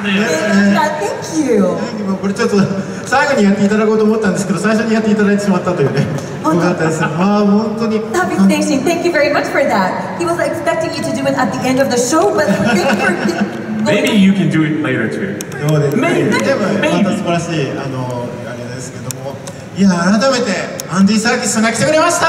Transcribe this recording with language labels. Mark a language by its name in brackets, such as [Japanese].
[Japanese] これちょっと最後にやっていただこうと思ったんですけど、最初にやっていただいてしまったというね。本当です。まあ本当に [English] Stop extension. Thank you very much for that. He was expecting you to do it at the end of the show, but thank you for Maybe you can do it later too. [Japanese] どうですか。でもまた素晴らしいあれですけども、いや改めてアンディ・サーキスさんが来てくれました。